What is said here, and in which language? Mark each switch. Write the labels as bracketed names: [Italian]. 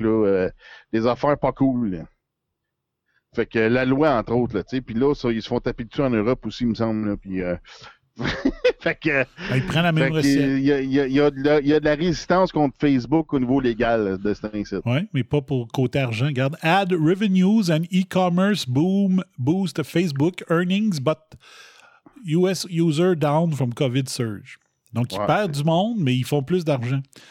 [French] Là, des affaires pas cool. Là. Fait que la loi, entre autres. Là, t'sais. Puis là, ça, ils se font taper dessus en Europe aussi, il me semble. Là, puis, fait que, ben, ils prennent la même fait recette. Il y a de la résistance contre Facebook au niveau légal de cet incite. Oui, mais pas pour côté argent. Regarde, [English] ad revenues and e-commerce boom boost Facebook earnings, but US user down from COVID surge. [French] Donc, ils perdent du monde, mais ils font plus d'argent.